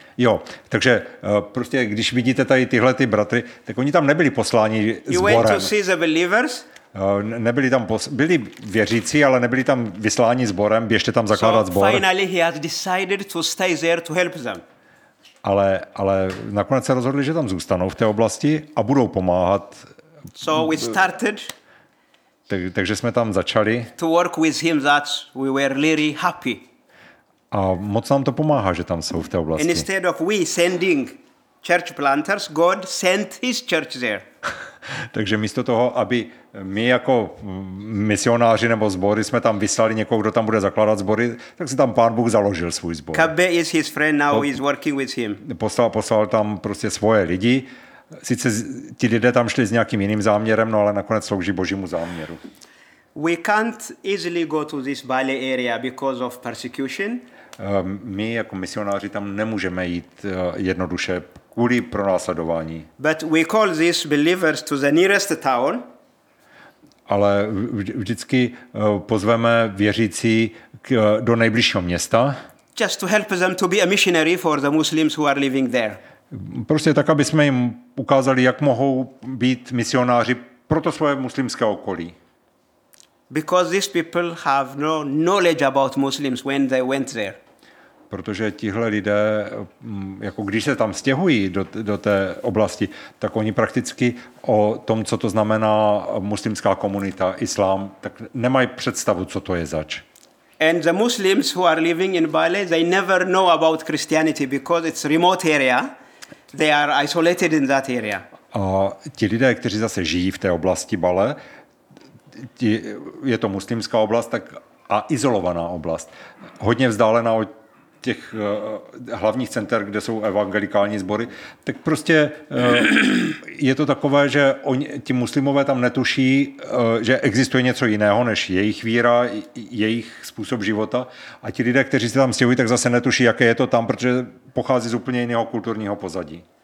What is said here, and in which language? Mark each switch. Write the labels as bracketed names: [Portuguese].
[Czech] Jo, takže prostě když vidíte tady tyhle ty bratry, tak oni tam nebyli posláni sborem. [English] You went to see the believers? [Czech] Nebyli tam byli věřící, ale nebyli tam vysláni sborem, běžte tam zakládat [English] so [Czech] sbor. [English] Finally he has decided to stay there to help them. [Czech] Ale nakonec se rozhodli, že tam zůstanou v té oblasti a budou pomáhat. [English] So we started. [Czech] Takže jsme tam začali. [English] To work with him that we were really happy. [Czech] A moc nám to pomáhá, že tam jsou v té oblasti. [English] Instead of we sending church planters, God sent his church there. [Czech] Takže místo toho, aby my jako misionáři nebo sbory jsme tam vyslali někoho, kdo tam bude zakládat sbory, tak si tam Pán Bůh založil svůj sbor. [English] Kabe is his friend now, he's working with him. [Czech] Poslal tam prostě svoje lidi. Sice ti lidé tam šli s nějakým jiným záměrem, no ale nakonec slouží Božímu záměru. [English] We can't easily go to this Bali area because of persecution. [Czech] My jako misionáři tam nemůžeme jít jednoduše kvůli pronásledování. [English] But we call these believers to the nearest town. [Czech] Ale vždycky pozveme věřící do nejbližšího města. [English] Just to help them to be a missionary for the Muslims who are living there. [Czech] Prostě tak, aby jsme jim ukázali, jak mohou být misionáři pro to svoje muslimské okolí. [English] Because these people have no knowledge about Muslims when they went there. [Czech] Protože tihle lidé, jako když se tam stěhují do té oblasti, tak oni prakticky o tom, co to znamená muslimská komunita, islám, tak nemají představu, co to je zač. [English] And the Muslims who are living in Bali, they never know about Christianity because it's remote area. They are isolated in that area. [Czech] A ti lidé, kteří zase žijí v té oblasti Bali, je to muslimská oblast, tak a izolovaná oblast. Hodně vzdálená od těch hlavních center, kde jsou evangelikální sbory, tak prostě je to takové, že oni, ti muslimové tam netuší, že existuje něco jiného než jejich víra, jejich způsob života, a ti lidé, kteří se tam stěhují, tak zase netuší, jaké je to tam, protože pochází z úplně jiného kulturního pozadí.